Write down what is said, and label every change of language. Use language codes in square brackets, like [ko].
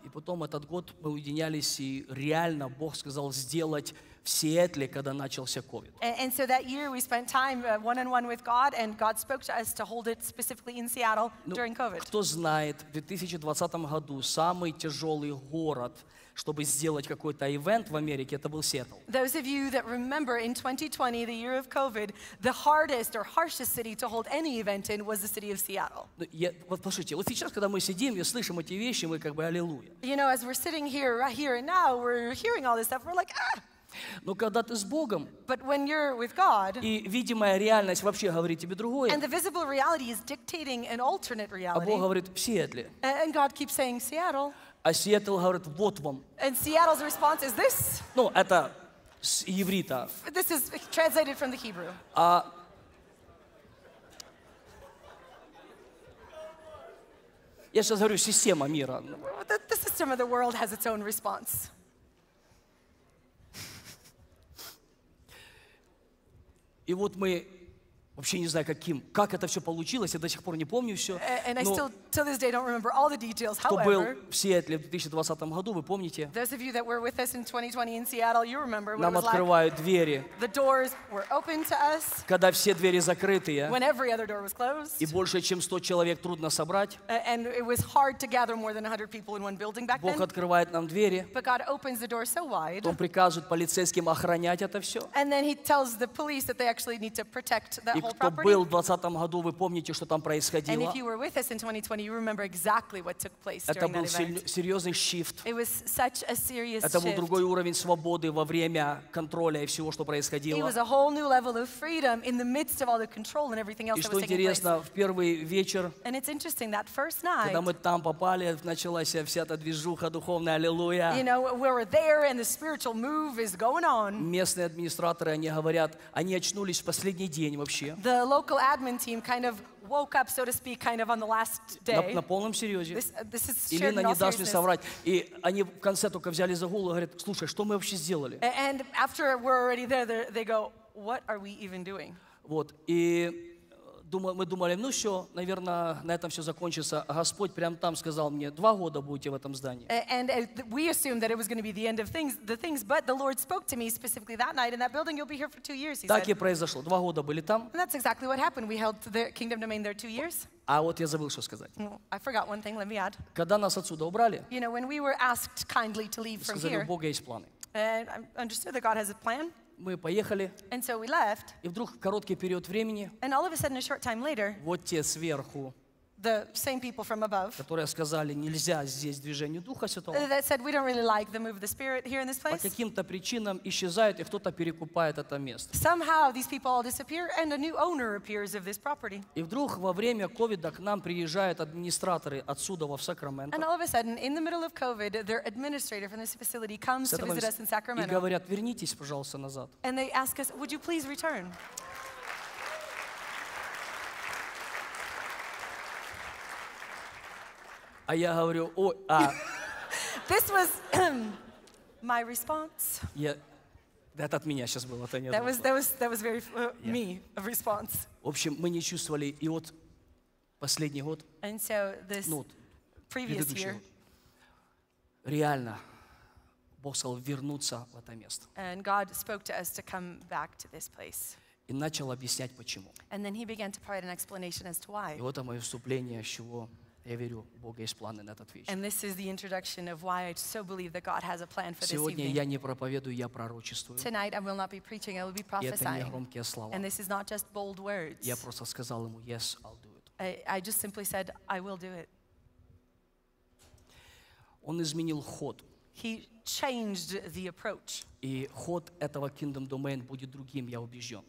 [ru] И потом этот год мы уединялись, и реально Бог сказал сделать в Сиэтле, когда начался COVID. [en] And so that year we spent time one-on-one with God, and God spoke to us to hold it specifically in Seattle during COVID. [ru] Кто знает, в 2020 году самый тяжелый город, чтобы сделать какой-то ивент в Америке, это был Сиэтл. [en] Those of you that remember in 2020, the year of COVID, the hardest or harshest city to hold any event in was the city of Seattle. [ru] Вот послушайте, вот сейчас, когда мы сидим и слышим эти вещи, мы как бы аллилуйя. [en] You know, as we're sitting here, right here and now, we're hearing all this stuff, we're like, ah! [ru] Но когда ты с Богом, [en] but when you're with God, [ru] и видимая реальность вообще говорит тебе другое, [en] and the visible reality is dictating an alternate reality, [ru] а Бог говорит в Сиэтле, [en] and God keeps saying Seattle, [ru] а Сиэтл говорит, вот вам. [en] And Seattle's response is this. [ru] Ну, это с иврита. [en] This is translated from the Hebrew. [ru] Я сейчас говорю, система мира. [en] The system of the world has its own response. [ru] И вот мы... Вообще не знаю, как это все получилось, я до сих пор не помню все. [en] And I still, to this day, don't remember all the details. [ru] Кто был в Сиэтле в 2020 году, вы помните? [en] Those of you that were with us in 2020 in Seattle, you remember what it was like. [ru] Нам открывают двери. [en] The doors were open to us. [ru] Когда все двери закрытые. [en] When every other door was closed. [ru] И больше, чем 100 человек трудно собрать. [en] And it was hard to gather more than 100 people in one building back then. [ru] Бог открывает нам двери. [en] But God opens the door so wide. [ru] Он приказывает полицейским охранять это все. [en] And then he tells the police that they actually need to protect that whole. [ru] Кто был в 2020 году, вы помните, что там происходило. [en] And if you were with us in 2020, you remember exactly what took place during that event. [ru] Это был серьезный shift. [en] It was such a serious shift. [ru] Это был другой уровень свободы во время контроля и всего, что происходило. [en] It was a whole new level of freedom in the midst of all the control and everything else that was taking place. [ru] И что интересно, в первый вечер, [en] and it's interesting, that first night, [ru] когда мы там попали, началась вся эта движуха духовная, аллилуйя. [en] You know, we were there and the spiritual move is going on. [ru] Местные администраторы, они говорят, они очнулись в последний день вообще. [en] The local admin team kind of woke up, so to speak, kind of on the last day. [ru] На полном серьезе. [en] This is shared in all seriousness. [ru] Илина не даст мне соврать. И они в конце только взяли за голову и говорят, слушай, что мы вообще сделали? [en] And after we're already there, they go, what are we even doing? [ru] Вот. И мы думали, ну все, наверное, на этом все закончится. Господь прямо там сказал мне, 2 года будете в этом здании. [en] And we assumed that it was going to be the end of things, but the Lord spoke to me specifically that night in that building, you'll be here for 2 years, he [ru] так [en] said. [ru] И произошло. 2 года были там. [en] And that's exactly what happened. We held the kingdom domain there 2 years. [ru] А вот я забыл, что сказать. [en] Well, I forgot one thing, let me add. [ru] Когда нас отсюда убрали, [en] you know, when we were asked kindly to leave from [ru] сказали, у Бога есть планы. [en] And I understood that God has a plan. [ru] Мы поехали. [en] And so we left. [ru] И вдруг короткий период времени. [en] And all of a sudden, a short time later. [ru] Вот те сверху. [en] The same people from above. [ru] Которые сказали, нельзя здесь движение Духа Святого. [en] That said, we don't really like the move of the Spirit here in this place. [ru] По каким-то причинам исчезают, и кто-то перекупает это место. [en] Somehow these people all disappear, and a new owner appears of this property. [ru] И вдруг во время COVID к нам приезжают администраторы отсюда в Сакраменто. [en] And all of a sudden, in the middle of COVID, their administrator from this facility comes to visit us in Sacramento. [ru] И говорят, вернитесь, пожалуйста, назад. [en] And they ask us, would you please return? [ru] А я говорю, ой, [en] This was my response. [ru] Я, Это от меня сейчас было, Таня. [en] That was very me of response. [ru] В общем, мы не чувствовали и вот последний год. [en] And so this previous year. [ru] Реально, Бог сказал вернуться в это место. [en] And God spoke to us to come back to this place. [ru] И начал объяснять почему. [en] And then he began to provide an explanation as to why. [ru] И вот это мое вступление, с чего я верю, у Бога есть планы на этот вечер. [en] And this is the introduction of why I so believe that God has a plan for this evening. [ru] Сегодня я не проповедую, я пророчествую. [en] Tonight I will not be preaching, I will be prophesying. [ru] И это не громкие слова. [en] And this is not just bold words. [ru] Я просто сказал ему, [en] yes, I'll do it. I just simply said, I will do it. [ru] Он изменил ход. [en] He changed the approach. [ru] И ход этого kingdom domain будет другим, я убежден.